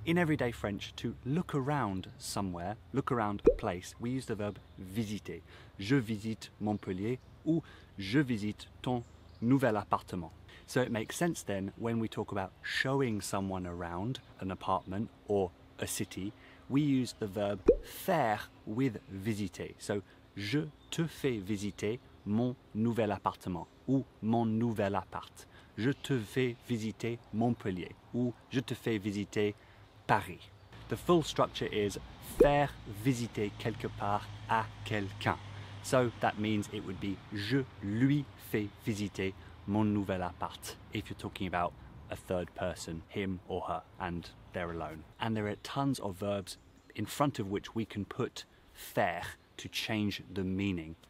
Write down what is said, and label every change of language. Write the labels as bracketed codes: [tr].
[en] In everyday French, to look around somewhere, look around a place, we use the verb visiter. [fr] Je visite Montpellier ou je visite ton nouvel appartement. [en] So it makes sense then when we talk about showing someone around an apartment or a city, we use the verb faire with visiter. [fr] So je te fais visiter mon nouvel appartement ou mon nouvel appart. Je te fais visiter Montpellier ou je te fais visiter Paris. [en] The full structure is [fr] faire visiter quelque part à quelqu'un. [en] So that means it would be [fr] je lui fais visiter mon nouvel appart [en] if you're talking about a third person, him or her, and they're alone. And there are tons of verbs in front of which we can put faire to change the meaning.